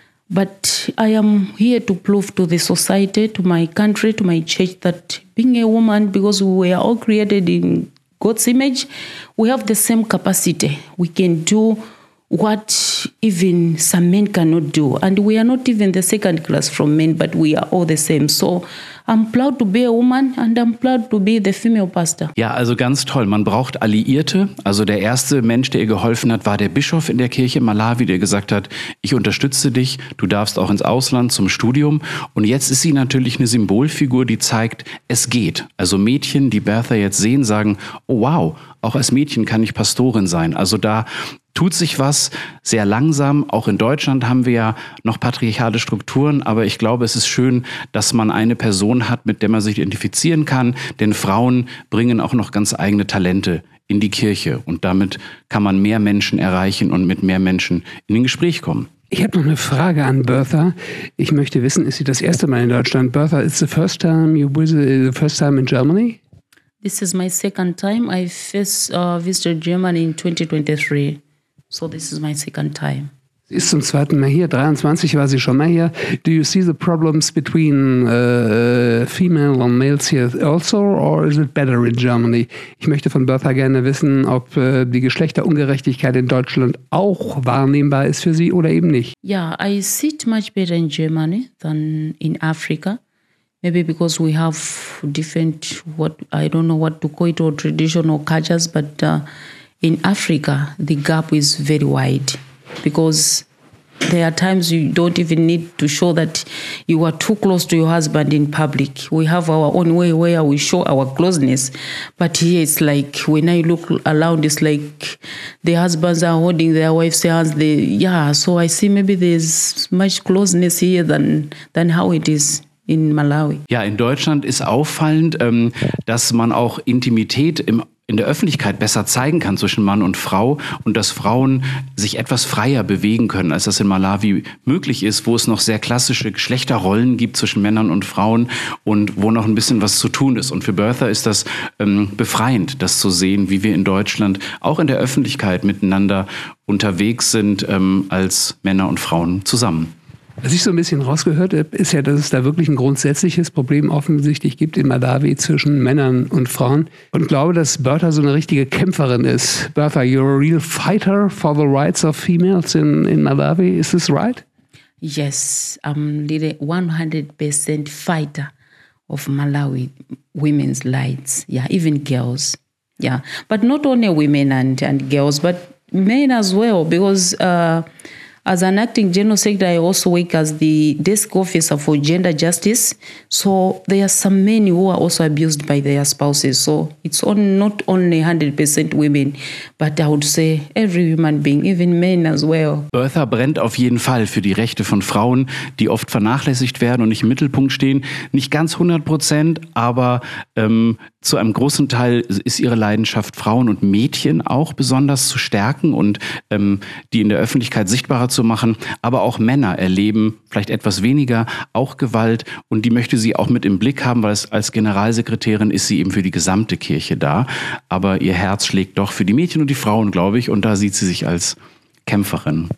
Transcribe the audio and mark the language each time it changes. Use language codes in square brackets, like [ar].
[en] But I am here to prove to the society, to my country, to my church, that being a woman, because we are all created in God's image, we have the same capacity. We can do what even some men cannot do. And we are not even the second class from men, but we are all the same. So I'm proud to be a woman, and I'm proud to be the female pastor. [de] Ja, also ganz toll. Man braucht Alliierte. Also der erste Mensch, der ihr geholfen hat, war der Bischof in der Kirche in Malawi, der gesagt hat, ich unterstütze dich, du darfst auch ins Ausland zum Studium. Und jetzt ist sie natürlich eine Symbolfigur, die zeigt, es geht. Also Mädchen, die Bertha jetzt sehen, sagen, oh wow, auch als Mädchen kann ich Pastorin sein. Also da tut sich was sehr langsam. Auch in Deutschland haben wir ja noch patriarchale Strukturen. Aber ich glaube, es ist schön, dass man eine Person hat, mit der man sich identifizieren kann. Denn Frauen bringen auch noch ganz eigene Talente in die Kirche. Und damit kann man mehr Menschen erreichen und mit mehr Menschen in ein Gespräch kommen. Ich habe noch eine Frage an Bertha. Ich möchte wissen, ist sie das erste Mal in Deutschland? [en] Bertha, it's the first time you visit, the first time in Germany? This is my second time. I first visited Germany in 2023. So this is my second time. [de] ist zum zweiten Mal hier, 23 war sie schon mal hier. [en] Do you see the problems between female and males here also, or is it better in Germany? [de] Ich möchte von Bertha gerne wissen, ob die Geschlechterungerechtigkeit in Deutschland auch wahrnehmbar ist für sie oder eben nicht. [en] Yeah, I see it much better in Germany than in Africa. Maybe because we have different, what I don't know what to call it, or traditional cultures, but in Africa, the gap is very wide. Because there are times you don't even need to show that you are too close to your husband in public. We have our own way where we show our closeness. But here it's like, when I look around, it's like the husbands are holding their wife's hands. So I see maybe there's much closeness here than how it is in Malawi. [de] Ja, in Deutschland ist auffallend, dass man auch Intimität in der Öffentlichkeit besser zeigen kann zwischen Mann und Frau und dass Frauen sich etwas freier bewegen können, als das in Malawi möglich ist, wo es noch sehr klassische Geschlechterrollen gibt zwischen Männern und Frauen und wo noch ein bisschen was zu tun ist. Und für Bertha ist das befreiend, das zu sehen, wie wir in Deutschland auch in der Öffentlichkeit miteinander unterwegs sind, als Männer und Frauen zusammen. Was ich so ein bisschen rausgehört habe, ist ja, dass es da wirklich ein grundsätzliches Problem offensichtlich gibt in Malawi zwischen Männern und Frauen. Und glaube, dass Bertha so eine richtige Kämpferin ist. [en] Bertha, you're a real fighter for the rights of females in Malawi. Is this right? Yes, I'm a 100% fighter of Malawi women's rights. Yeah, even girls. Yeah, but not only women and girls, but men as well, because... As an acting general secretary, I also work as the desk officer for gender justice. So there are some men who are also abused by their spouses. So it's not only 100% women, but I would say every human being, even men as well. [de] Bertha brennt auf jeden Fall für die Rechte von Frauen, die oft vernachlässigt werden und nicht im Mittelpunkt stehen. Nicht ganz 100%, aber zu einem großen Teil ist ihre Leidenschaft, Frauen und Mädchen auch besonders zu stärken und die in der Öffentlichkeit sichtbar zu machen, aber auch Männer erleben vielleicht etwas weniger auch Gewalt und die möchte sie auch mit im Blick haben, weil als Generalsekretärin ist sie eben für die gesamte Kirche da, aber ihr Herz schlägt doch für die Mädchen und die Frauen, glaube ich, und da sieht sie sich als Kämpferin.